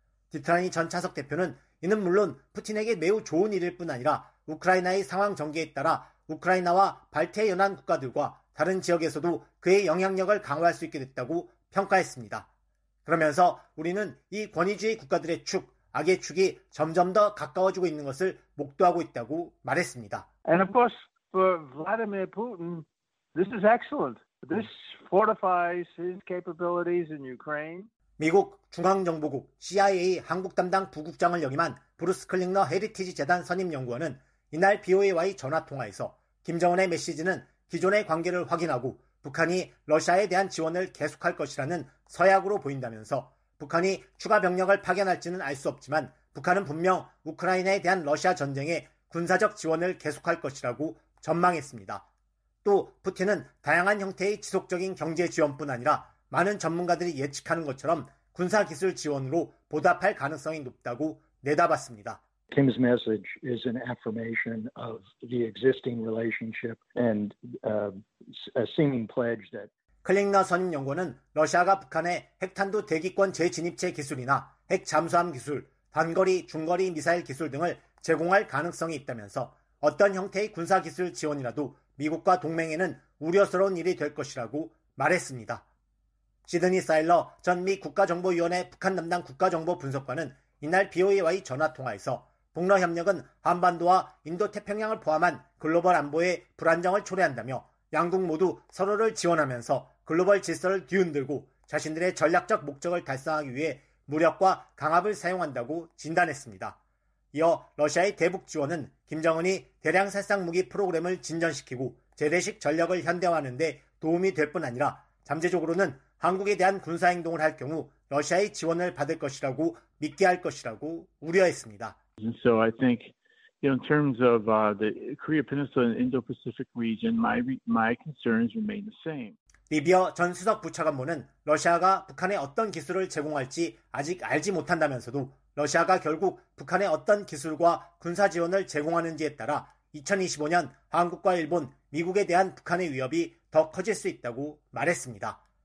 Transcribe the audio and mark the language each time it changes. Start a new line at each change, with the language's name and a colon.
Korean: 디트라니 전 차석 대표는 이는 물론 푸틴에게 매우 좋은 일일 뿐 아니라 우크라이나의 상황 전개에 따라 우크라이나와 발트해 연안 국가들과 다른 지역에서도 그의 영향력을 강화할 수 있게 됐다고 평가했습니다. 그러면서 우리는 이 권위주의 국가들의 축, 악의 축이 점점 더 가까워지고 있는 것을 목도하고 있다고 말했습니다.
English: And of course, for Vladimir Putin, this is excellent. This fortifies his capabilities in Ukraine.
Korean: 미국 중앙정보국 CIA 한국 담당 부국장을 역임한 브루스 클링너 헤리티지 재단 선임 연구원은 이날 BOA와의 전화통화에서 김정은의 메시지는 기존의 관계를 확인하고 북한이 러시아에 대한 지원을 계속할 것이라는 서약으로 보인다면서 북한이 추가 병력을 파견할지는 알 수 없지만 북한은 분명 우크라이나에 대한 러시아 전쟁에 군사적 지원을 계속할 것이라고 전망했습니다. 또 푸틴은 다양한 형태의 지속적인 경제 지원뿐 아니라 많은 전문가들이 예측하는 것처럼 군사기술 지원으로 보답할 가능성이 높다고 내다봤습니다.
English: Kim's message is an affirmation of the existing relationship and a seeming pledge that
Korean: 클링너 선임 연구원은 러시아가 북한의 핵탄두 대기권 재진입체 기술이나 핵 잠수함 기술, 단거리, 중거리 미사일 기술 등을 제공할 가능성이 있다면서 어떤 형태의 군사 기술 지원이라도 미국과 동맹에는 우려스러운 일이 될 것이라고 말했습니다. 시드니 사일러 전 미 국가정보위원회 북한 담당 국가정보 분석관은 이날 BOA와의 전화통화에서 북러 협력은 한반도와 인도태평양을 포함한 글로벌 안보의 불안정을 초래한다며 양국 모두 서로를 지원하면서 글로벌 질서를 뒤흔들고 자신들의 전략적 목적을 달성하기 위해 무력과 강압을 사용한다고 진단했습니다. 이어 러시아의 대북 지원은 김정은이 대량 살상무기 프로그램을 진전시키고 재래식 전력을 현대화하는 데 도움이 될 뿐 아니라 잠재적으로는 한국에 대한 군사행동을 할 경우 러시아의 지원을 받을 것이라고 믿게 할 것이라고 우려했습니다.
English: So I think, you know, in terms of the Korea Peninsula and Indo-Pacific region, my concerns remain the same.
Korean: 리비어 전 수석 부차관보는 러시아가 북한에 어떤 기술을 제공할지 아직 알지 못한다면서도 러시아가 결국 북한에 어떤 기술과 군사 지원을 제공하는지에 따라 2025년 한국과 일본, 미국에 대한 북한의 위협이 더 커질 수 있다고 말했습니다.